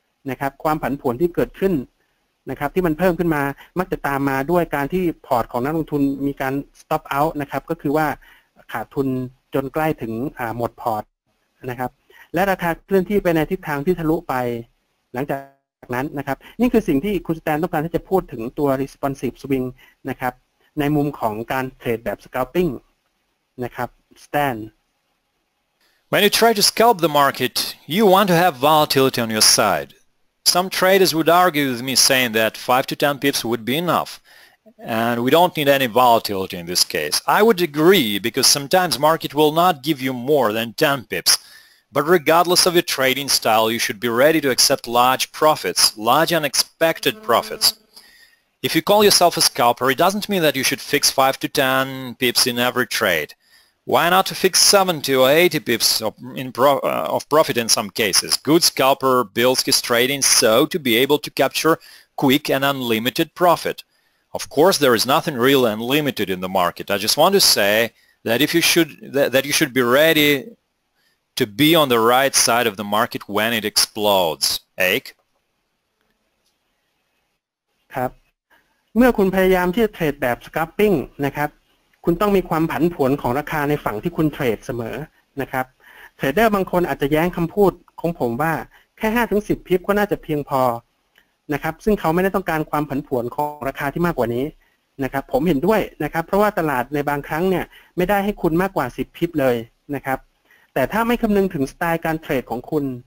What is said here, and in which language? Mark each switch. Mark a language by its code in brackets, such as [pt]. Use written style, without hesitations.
[th] นะครับความผันผวนที่เกิดขึ้นนะครับที่มันเพิ่มขึ้นมามักจะตามมาด้วยการที่พอร์ตของนักลงทุนมีการ stop out นะครับก็คือว่าขาดทุนจนใกล้ถึงหมดพอร์ตนะครับและราคาเคลื่อนที่ไปในทิศทางที่ทะลุไปหลังจากนั้นนะครับนี่คือสิ่งที่คุณสแตนต้องการที่จะพูดถึงตัว responsive swing นะครับในมุมของการเทรดแบบ scalping นะครับสแตน [en] When you try to scalp the market, you want to have volatility on your side. Some traders would argue with me saying that 5 to 10 pips would be enough, and we don't need any volatility in this case. I would agree because sometimes market will not give you more than 10 pips, but regardless of your trading style, you should be ready to accept large profits, large unexpected profits. If you call yourself a scalper, it doesn't mean that you should fix 5 to 10 pips in every trade. Why not to fix 70 or 80 pips of profit in some cases? Good scalper builds his trading so to be able to capture quick and unlimited profit. Of course, there is nothing real unlimited in the market. I just want to say that you should be ready to be on the right side of the market when it explodes. Ake? [th] ครับเมื่อคุณพยายามที่จะเทรดแบบ scalping นะครับคุณต้องมีความผันผวนของราคาในฝั่งที่คุณเทรดเสมอนะครับเทรดเดอร์บางคนอาจจะแย้งคำพูดของผมว่าแค่5ถึง10พิปก็น่าจะเพียงพอนะครับซึ่งเขาไม่ได้ต้องการความผันผวนของราคาที่มากกว่านี้นะครับผมเห็นด้วยนะครับเพราะว่าตลาดในบางครั้งเนี่ยไม่ได้ให้คุณมากกว่า10พิปเลยนะครับแต่ถ้าไม่คำนึงถึงสไตล์การเทรดของคุณ